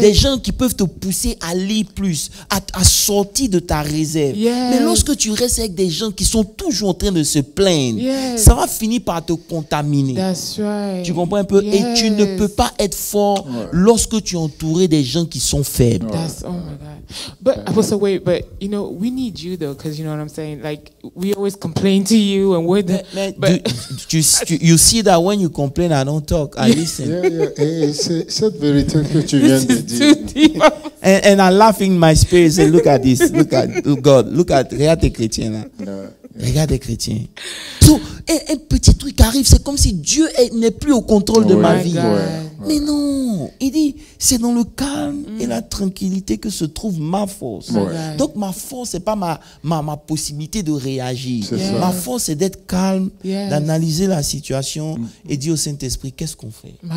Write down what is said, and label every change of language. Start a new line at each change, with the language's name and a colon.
French: Des gens qui peuvent te pousser à lire plus, à sortir de ta réserve.
English: Yes.
French: Mais lorsque tu restes avec des gens qui sont toujours en train de se plaindre,
English: yes.
French: ça va finir par te contaminer.
English: That's right.
French: Tu comprends un peu?
English: Yes.
French: Et tu ne peux pas être fort lorsque tu es entouré des gens qui sont faibles.
English: That's, oh my God. But, also, wait, but, you know, we need you though, because you know what I'm saying? Like, we always complain to you. you and where the you see that when you complain I don't talk, I listen.
French: C'est
English: very tough
French: que tu viens de dire.
English: And I'm laughing in my spirit, say, look at this, look at God, look at
French: regarde les chrétiens là. Regarde les chrétiens. Et un petit truc arrive, c'est comme si Dieu n'est plus au contrôle de ma vie. Mais non, il dit, c'est dans le calme et la tranquillité que se trouve ma force. Donc ma force, c'est pas ma possibilité de réagir. Ma force, c'est d'être calme, d'analyser la situation et dire au Saint-Esprit, qu'est-ce qu'on fait?